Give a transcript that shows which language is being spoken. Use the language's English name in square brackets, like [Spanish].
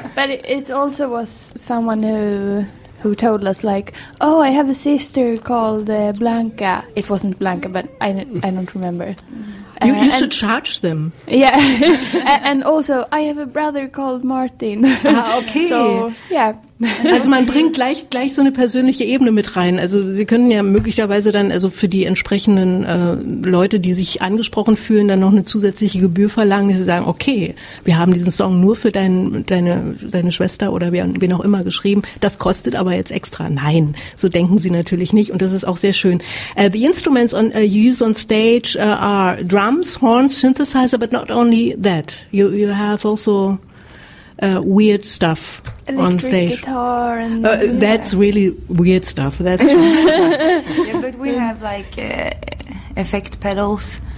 [English] But it also was someone who told us, like, oh, I have a sister called Blanca. It wasn't Blanca, but I don't remember. You should charge them. Yeah. And also, I have a brother called Martin. Ah, okay. So, yeah. [German] Also man bringt gleich so eine persönliche Ebene mit rein. Also Sie können ja möglicherweise dann also für die entsprechenden Leute, die sich angesprochen fühlen, dann noch eine zusätzliche Gebühr verlangen, dass sie sagen, okay, wir haben diesen Song nur für deine Schwester oder wen auch immer geschrieben. Das kostet aber jetzt extra. Nein, so denken Sie natürlich nicht. Und das ist auch sehr schön. [English] The instruments on, you use on stage are drums, horns, synthesizer, but not only that. You have also... weird stuff electric on stage. Guitar and yeah. That's really weird stuff. That's yeah, but we have like effect pedals.